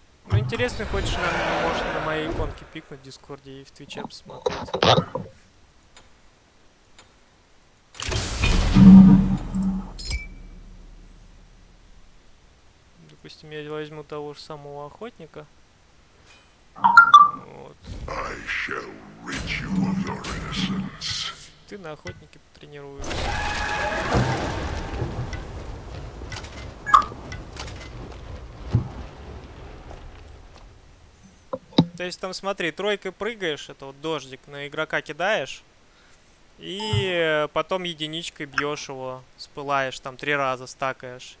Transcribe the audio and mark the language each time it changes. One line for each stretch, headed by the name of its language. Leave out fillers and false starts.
Russian: Ну интересно, хочешь, наверное, можешь на моей иконке пикнуть в Дискорде и в Твиче посмотреть. Допустим, я возьму того же самого охотника. Вот.
English: I shall rid you of your innocence.
Russian: Ты на охотнике потренируешься. То есть там смотри, тройкой прыгаешь, это вот дождик, на игрока кидаешь. И потом единичкой бьешь его, спылаешь, там три раза стакаешь.